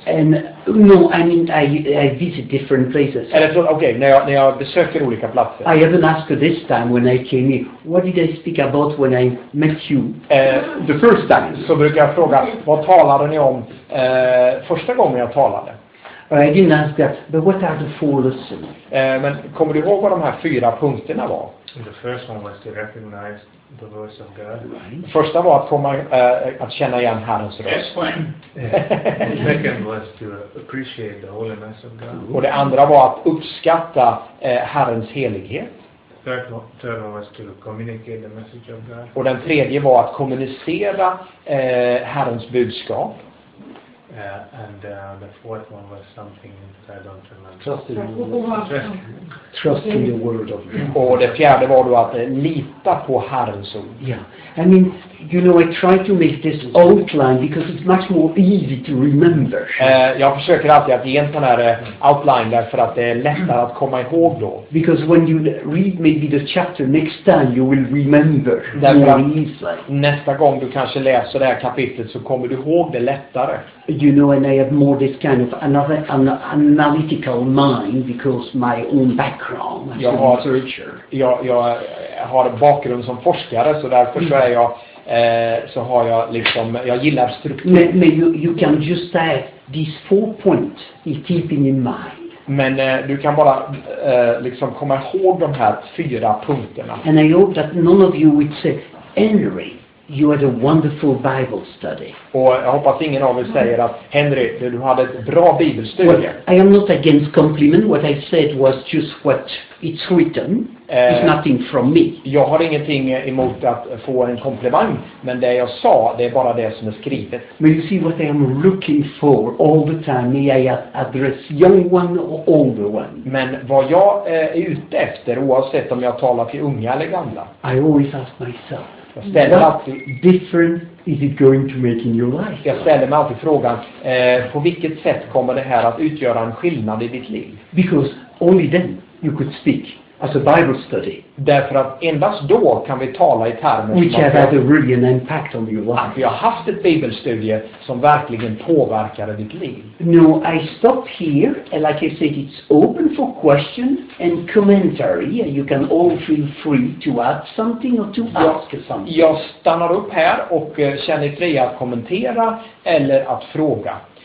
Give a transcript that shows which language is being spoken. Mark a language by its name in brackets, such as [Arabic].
[English] And no, I mean I visit different places. [Swedish] Okay, när jag besöker olika platser. [English] I haven't asked this time when I came here. What did I speak about when I met you? The first time. [Swedish] Så brukar jag fråga, vad talade ni om första gången jag talade? [English] I didn't ask that, but what are the four lessons? [Swedish] Men kommer du ihåg vad de här fyra punkterna var? [English] The first one was to recognize the voice of God. Right. [Swedish] Första var att komma att känna igen Herrens röst. [English] The second was to appreciate the holiness of God. [Swedish] Och det andra var att uppskatta Herrens helighet. [English] Third one was to communicate the message of God. [Swedish] Och den tredje var att kommunicera Herrens budskap. [English] And the fourth one was something that I don't remember. Trust in the word of God. [Swedish] Och det fjärde var då att lita på Herrens ord. [English] Yeah, I mean, you know, I try to make this outline because it's much more easy to remember. [Swedish] Jag försöker alltid att ge en sån här outline därför att det är lättare att komma ihåg då. [English] Because when you read maybe the chapter next time, you will remember more easily. [Swedish] Nästa gång du kanske läser det här kapitlet så kommer du ihåg det lättare. [English] You know, and I have more this kind of analytical mind because my own background as a researcher. [Swedish] Jag har en bakgrund som forskare, så därför så är jag så har jag liksom, jag gillar struktur. Men [English] you can just say these four points in keeping in mind. [Swedish] Men du kan bara liksom komma ihåg de här fyra punkterna. [English] And I hope that none of you would say, Henry, You had a wonderful Bible study. [Swedish] Och jag hoppas ingen av er säger att Henry, du hade ett bra bibelstudie. [English] Well, I am not against compliment. What I said was just what it's written. It's nothing from me. [Swedish] Jag har ingenting emot att få en komplimang, men det jag sa, det är bara det som är skrivet. [English] But you see what I am looking for all the time. May I address young one or older one? [Swedish] Men vad jag är ute efter, oavsett om jag talar till unga eller gamla. [English] I always ask myself. What different is it going to make in your life? [Swedish] Jag ställer mig alltid frågan, på vilket sätt kommer det här att utgöra en skillnad i ditt liv? [English] Because only then you could speak as a Bible study. [Swedish] Därför att endast då kan vi tala i termer [English] which have had a really an impact on your life. [Swedish] Vi har haft ett bibelstudie som verkligen påverkade ditt liv. [English] No, I stop here, and like I said, it's open for question and commentary. You can all feel free to add something or to ask something. [Swedish] Jag stannar upp här och känner fri att kommentera eller att fråga.